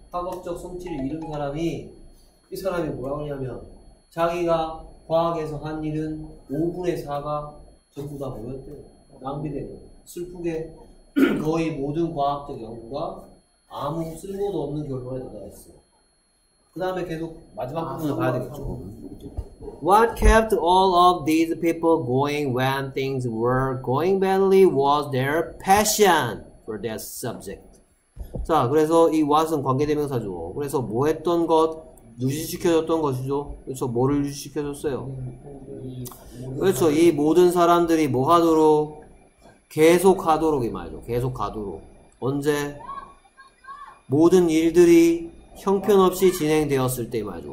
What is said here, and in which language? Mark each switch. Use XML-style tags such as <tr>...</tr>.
<ko>학업적 성취를 이룬 사람이 이 사람이 뭐라고 하냐면 자기가 과학에서 한 일은 5분의 4가 전부 다 뭐였대요? 낭비된 거. 슬프게 거의 모든 과학적 연구가 아무 쓸모도 없는 결론에 도달했어요. 그 다음에 계속 마지막 부분을 봐야 되겠죠.</ko> <en>What kept all of these people going when things were going badly was their passion for their subject.</en> <ko>자, 그래서 이 what은 관계대명사죠. 그래서 뭐 했던 것 유지시켜줬던 것이죠. 그렇죠. 뭐를 유지시켜줬어요? 그렇죠. 이 모든 사람들이 뭐 하도록? 계속 하도록 이 말이죠. 계속 가도록. 언제? 모든 일들이 형편없이 진행되었을 때 말이죠.</ko>